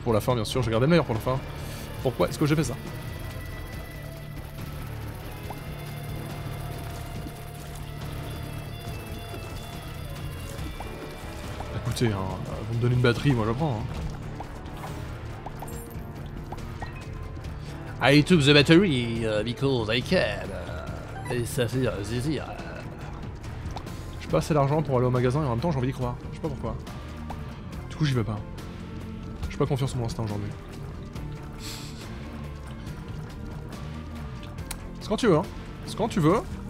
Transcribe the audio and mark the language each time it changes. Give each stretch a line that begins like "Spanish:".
French: Pour la fin, bien sûr, j'ai gardé le meilleur pour la fin. Pourquoi est-ce que j'ai fait ça? Écoutez, hein, vous me donnez une batterie, moi je prends. Hein.
English: I took the battery because I can.
French: Et ça fait zizir. J'ai pas assez d'argent pour aller au magasin et en même temps j'ai envie d'y croire. Je sais pas pourquoi. Du coup j'y vais pas. J'ai pas confiance en mon instinct aujourd'hui. C'est quand tu veux, hein. C'est quand tu veux.